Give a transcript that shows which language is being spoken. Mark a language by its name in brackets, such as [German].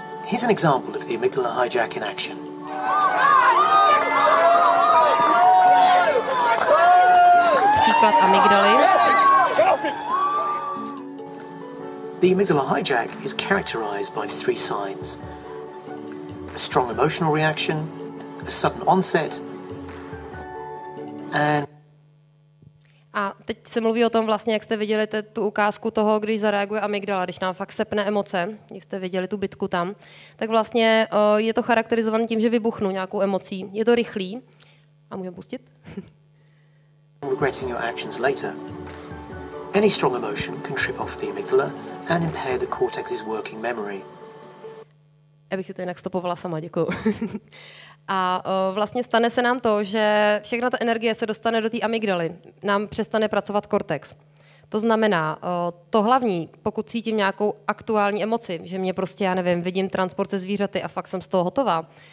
[English] Here's an example of the amygdala hijack in action. [Czech] Příklad amygdaly. [English] The amygdala hijack is characterized by three signs. A strong emotional reaction, a sudden onset, [Czech] a teď se mluví o tom vlastně, jak jste viděli tu ukázku toho, když zareaguje amygdala, když nám fakt sepne emoce, když jste viděli tu bitku tam, tak vlastně je to charakterizované tím, že vybuchnu nějakou emocí. Je to rychlý. A můžeme pustit? [English] Regretting your actions later. Any strong emotion can trip off the amygdala and impair the cortex's working memory. [Czech] Já bych si to jinak stopovala sama, děkuju. A vlastně stane se nám to, že všechna ta energie se dostane do té amygdaly. Nám přestane pracovat kortex. To znamená, to hlavní, pokud cítím nějakou aktuální emoci, že mě prostě, já nevím, vidím transport se zvířaty a fakt jsem z toho hotová,